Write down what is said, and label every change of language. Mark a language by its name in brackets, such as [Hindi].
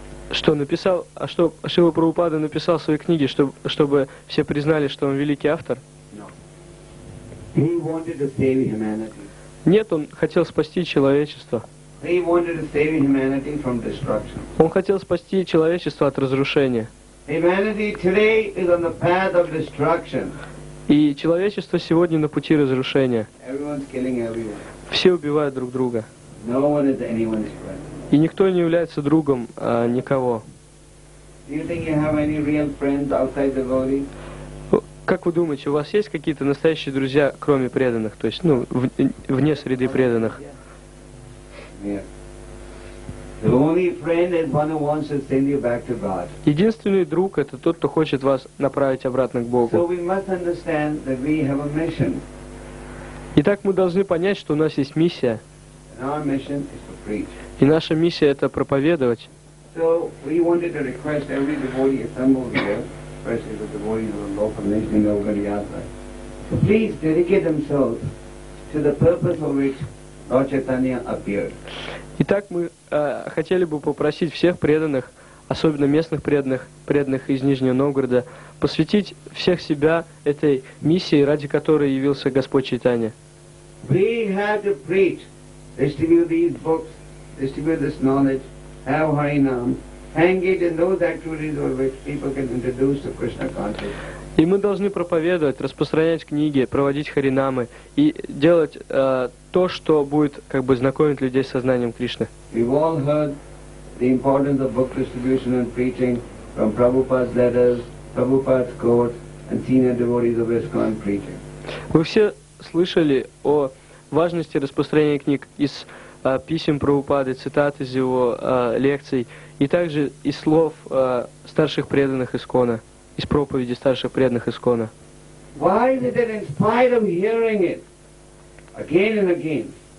[Russian] Что написал, а что Шрила Прабхупада написал свои книги, чтобы все признали, что он великий автор? Нет, он хотел спасти человечество. Он хотел спасти человечество от разрушения. [English] Humanity today is on the path of destruction. [Russian] И человечество сегодня на пути разрушения. [English] Everyone's killing everyone. [Russian] Все убивают друг друга. [English] No one is anyone's friend. [Russian] И никто не является другом никого. [English] Do you think you have any real friends outside the body? [Russian] Как вы думаете, у вас есть какие-то настоящие друзья, кроме преданных, то есть, ну, вне среды преданных? [English] Yes. The only friend is one who wants to send you back to God. [Russian] Единственный друг — это тот, кто хочет вас направить обратно к Богу. [English] So we must understand that we have a mission. [Russian] Итак, мы должны понять, что у нас есть миссия. [English] And our mission is to preach. [Russian] И наша миссия — это проповедовать. [English] So we wanted to request every devotee assembled here, especially the devotees of the local nation in Ogariyasa, to please dedicate themselves to the purpose for which Lord Chaitanya appeared. [Russian] Итак, мы хотели бы попросить всех преданных, особенно местных преданных, преданных из Нижнего Новгорода, посвятить всех себя этой миссии, ради которой явился Господь Чайтанья. [English] We have to preach, distribute these books, distribute this knowledge, have Harinam, hang it in those activities with which people can introduce to Krishna consciousness. [Russian] И мы должны проповедовать, распространять книги, проводить харинамы и делать то, что будет как бы знакомить людей с сознанием Кришны. [English] We've all heard the importance of book distribution and preaching from Prabhupada's letters, Prabhupada's quotes, and senior devotees of ISKCON preaching. [Russian] Вы все слышали о важности распространения книг из писем Прабхупады, цитат из его лекций, и также из слов старших преданных ИСКОНа, из проповеди старших преданных ИСКОНа. [English] Why is it that in spite of hearing it again and again,